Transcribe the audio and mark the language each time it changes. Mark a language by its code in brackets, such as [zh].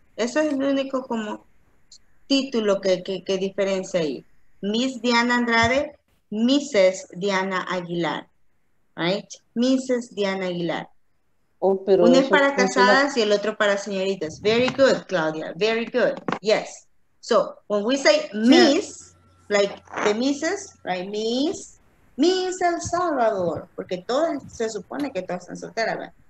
[es] Eso es el único como título que diferencia ahí. [en] Miss Diana Andrade, Mrs. Diana Aguilar. Right? Mrs. Diana Aguilar. [es] Oh, pero uno es para casadas y el otro para señoritas. [en] Very good, Claudia. Very good. Yes. So, when we say Miss, like the Mrs., right? Miss. [es] Miss El Salvador, porque todo, se supone que todas están solteras, ¿verdad?